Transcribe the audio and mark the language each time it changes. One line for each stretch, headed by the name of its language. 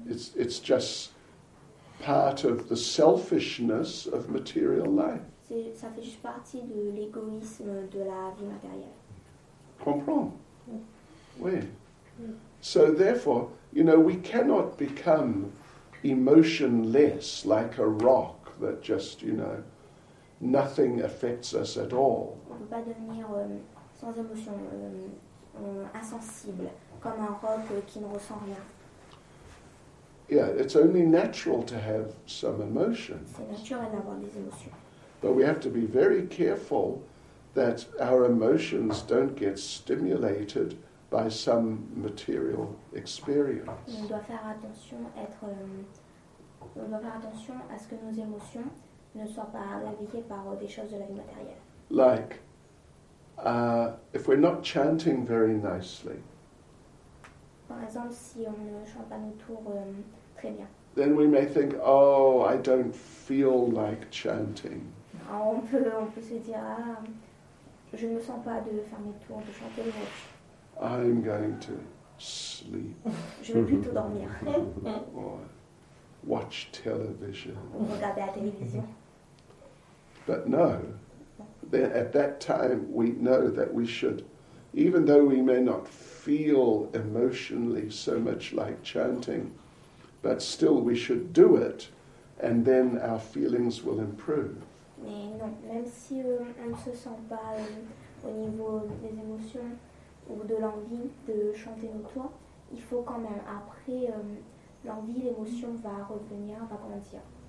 English: It's just part of the selfishness of material life.
French: Ça fait juste partie de l'égoïsme de la vie matérielle. Comprends? Oui.
English: So therefore, you know, we cannot become emotionless like a rock that just, you know, nothing affects us at all.
French: On ne peut pas devenir sans émotion, insensible, comme un roc qui ne ressent rien.
English: Yeah, it's only natural to have some emotion.
French: C'est naturel d'avoir des émotions.
English: But we have to be very careful that our emotions don't get stimulated by some material experience.
French: On doit faire attention à ce que nos émotions ne soient pas réveillées par des choses de la vie matérielle.
English: Like, if we're not chanting very nicely.
French: Par exemple, si on ne chante pas nos tours très bien.
English: Then we may think, oh, I don't feel like chanting.
French: On peut se dire, je ne me sens pas de faire mes tours, de chanter les mots.
English: I'm going to sleep.
French: Je vais plutôt dormir.
English: Or watch television.
French: Regarder la télévision.
English: But no. Then at that time we know that we should, even though we may not feel emotionally so much like chanting, but still we should do it, and then our feelings will improve.
French: Mais non, même si on ne se sent pas au niveau des émotions ou de l'envie de chanter nos tours, il faut quand même, après l'envie, l'émotion va revenir, va grandir.